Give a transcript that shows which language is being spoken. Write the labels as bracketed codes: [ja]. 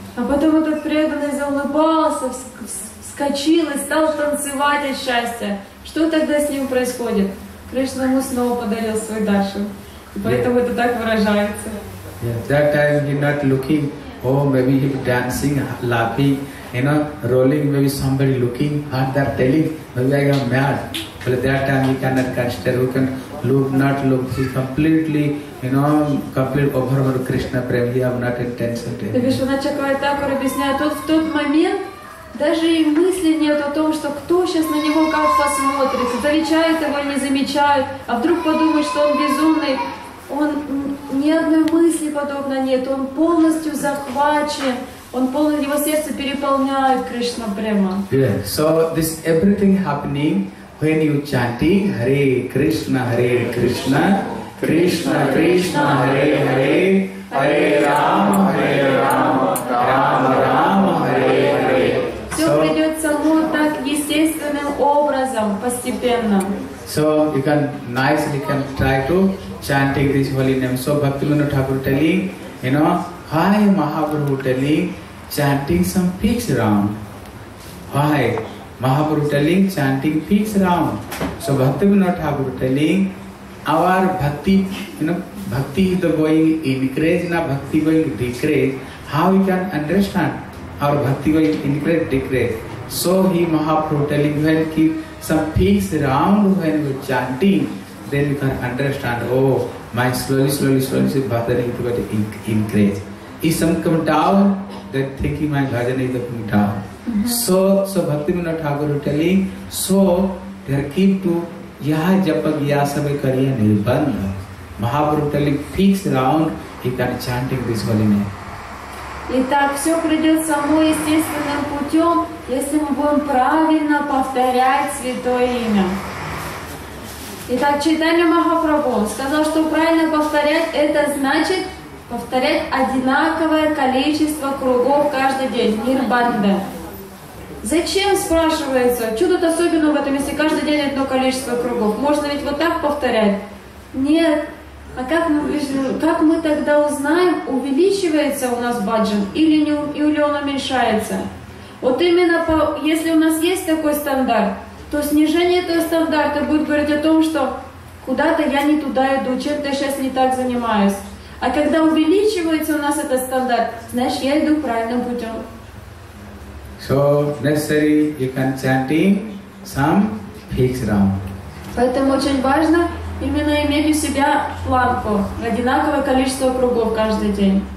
[ru] А потом этот преданный заулыбался, вскочил и стал танцевать от счастья. Что тогда с ним происходит? Кришна ему снова подарил свой даршан. И поэтому это так выражается. [en] That time he not looking, oh, maybe he dancing, laughing, you know, rolling, maybe somebody looking, heart that telling, maybe I am mad. But that time he cannot consider, who can look, not look, he completely, you know, completely overwhelmed Krishna prema, he have not intention to. [ru] Вишванатха Чакраварти объясняет, тут в тот момент даже и мысли нет о том, что кто сейчас на него как посмотрит, замечают его или не замечают, а вдруг подумают, что он безумный. Он ни одной мысли подобно нет, он полностью захвачен, он полный, его сердце переполняет Кришна према. [en] Yeah. So this everything happening when you chanting Hare Krishna, Hare Krishna, Krishna Krishna, Krishna Hare Hare, Hare Rama, Hare Rama, Rama Rama, Hare Hare. [ru] Все придет само так естественным образом, постепенно. [en] So you can nicely can try to chanting this holy name. So Bhaktivinoda Thakur telling, you know, why Mahaprabhu telling chanting some peaks round? Why? Mahaprabhu telling chanting peaks round. So Bhaktivinoda Thakur telling our bhakti, you know, bhakti is going increase, na bhakti going decrease. How we can understand our bhakti going increase, decrease? So he Mahaprabhu telling when keep some peaks round when we chanting, then you can understand, oh, my slowly, slowly, slowly, slowly bhajan is going to increase. If some come down, then thinking my bhajan is going down. Mm-hmm. So Bhaktivinoda Thakur is telling, so there keep to [bn] yaha japa gyasabha kariya nirbandha. [en] Mahaprabhu telling, fix round, he can chanting this holy name. [ru] Итак, все придет само естественным путем, если мы будем правильно повторять Святое Имя. Итак, Чайтанья Махапрабху сказал, что правильно повторять, это значит повторять одинаковое количество кругов каждый день, нирбанда. Зачем, спрашивается, что тут особенного в этом, если каждый день одно количество кругов? Можно ведь вот так повторять? Нет. А как мы тогда узнаем, увеличивается у нас баджан или он уменьшается? Вот именно если у нас есть такой стандарт, то снижение этого стандарта будет говорить о том, что куда-то я не туда иду, чем-то я сейчас не так занимаюсь. А когда увеличивается у нас этот стандарт, значит я иду правильным путем. [en] So necessary you can chanting some fixed round. [ru] Поэтому очень важно именно иметь у себя планку на одинаковое количество кругов каждый день.